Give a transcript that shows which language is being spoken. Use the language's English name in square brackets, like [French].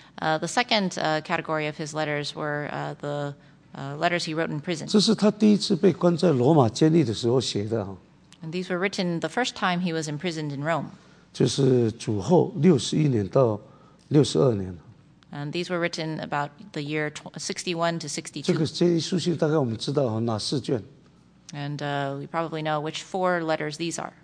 [English] The second category of his letters were the letters he wrote in prison. [Chinese] 这是他第一次被关在罗马监狱的时候写的。 [English] And these were written the first time he was imprisoned in Rome. [Chinese] 就是主后61年到62年。 [English] And these were written about the year 61 to 62. [Chinese] 这个监狱书信大概我们知道哪四卷。 [English] And we probably know which four letters these are.